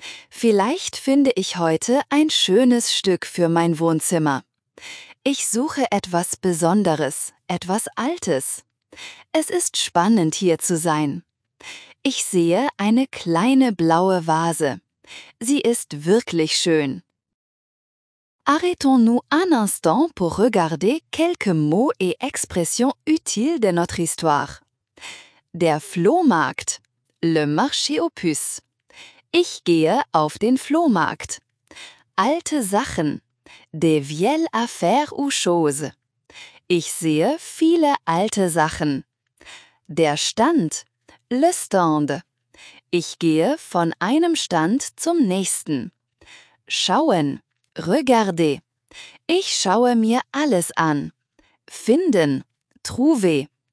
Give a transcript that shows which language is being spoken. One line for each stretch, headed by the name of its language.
German: Vielleicht finde ich heute ein schönes Stück für mein Wohnzimmer. Ich suche etwas Besonderes, etwas Altes. Es ist spannend, hier zu sein. Ich sehe eine kleine blaue Vase. Sie ist wirklich schön.
French: Arrêtons-nous un instant pour regarder quelques mots et expressions utiles de notre histoire.
German: Der Flohmarkt.
French: Le marché aux puces.
German: Ich gehe auf den Flohmarkt. Alte Sachen.
French: Des vieilles affaires ou choses.
German: Ich sehe viele alte Sachen. Der Stand.
French: Le stand.
German: Ich gehe von einem Stand zum nächsten. Schauen.
French: Regardez.
German: Ich schaue mir alles an. Finden.
French: Trouver.